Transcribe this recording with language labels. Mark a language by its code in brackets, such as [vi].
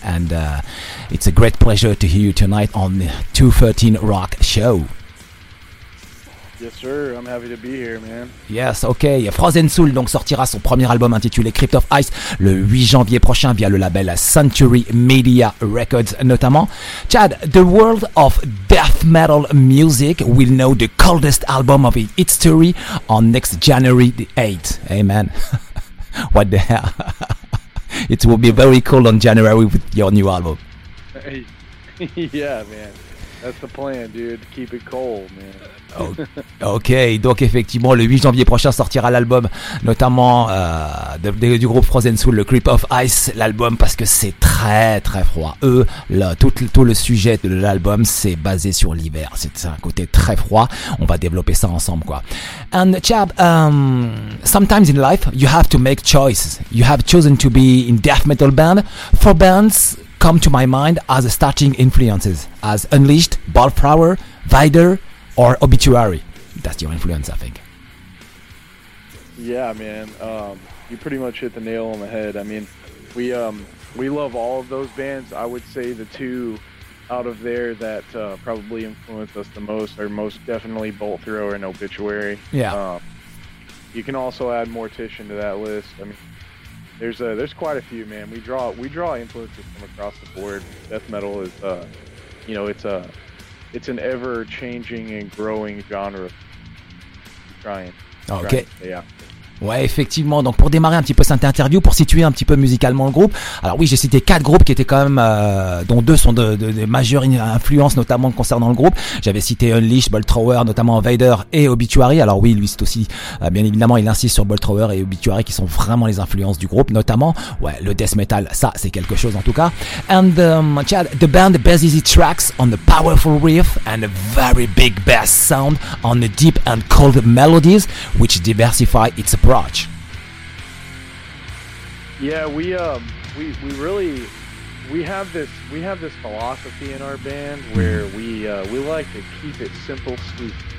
[en] And it's a great pleasure to hear you tonight on the 213 Rock Show. Yes, sir. I'm happy to be here, man. Yes, okay. [fr] Frozen Soul donc sortira son premier album intitulé Crypt of Ice le 8 janvier prochain via le label Century Media Records, notamment. [en] Chad, the world of death metal music will know the coldest album of its history on next January the 8th. Hey, man. What the hell? It will be very cold on January with your new album. Hey. Yeah, man. That's the plan, dude. Keep it cold, man. [fr] Ok, donc effectivement, le 8 janvier prochain sortira l'album, notamment du groupe Frozen Soul, le Crypt of Ice, l'album, parce que c'est très très froid. Eux, tout le sujet de l'album, c'est basé sur l'hiver. C'est un côté très froid. On va développer ça ensemble, quoi. [en] And Chab, sometimes in life, you have to make choices. You have chosen to be in death metal band. Four bands come to my mind as a starting influences, as Unleashed, Balfour, Vider, or Obituary. That's your influence, I think. Yeah, man. You pretty much hit the nail on the head. I mean, we love all of those bands. I would say the two out of there that probably influenced us the most are most definitely Bolt Thrower and Obituary. Yeah. You can also add Mortician to that list. I mean, there's quite a few, man. We draw influences from across the board. Death metal is, it's an ever-changing and growing genre. [fr] Ok. Ouais, effectivement. Donc, pour démarrer un petit peu cette interview, pour situer un petit peu musicalement le groupe. Alors oui, j'ai cité quatre groupes qui étaient quand même, dont deux sont de majeures influences, notamment concernant le groupe. J'avais cité Unleashed, Bolt Thrower, notamment Vader et Obituary. Alors oui, lui, c'est aussi, bien évidemment, il insiste sur Bolt Thrower et Obituary qui sont vraiment les influences du groupe, notamment. Ouais, le death metal, ça, c'est quelque chose en tout cas. [en] And, Chad, the band bases its tracks on a powerful riff and a very big bass sound on the deep and cold melodies, which diversify its approach. Yeah, we have this philosophy in our band where we like to keep it simple, sweet.